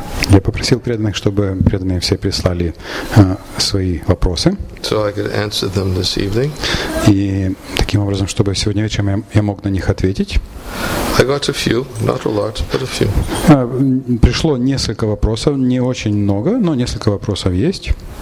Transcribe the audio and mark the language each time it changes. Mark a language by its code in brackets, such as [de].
[ru] Я попросил преданных, чтобы преданные все прислали свои вопросы. [en] So I could answer them this evening. [ru] И таким образом, чтобы сегодня вечером я мог на них ответить. [en] I got a few, not a lot, but a few. [ru] Пришло несколько вопросов, не очень много, но несколько вопросов есть.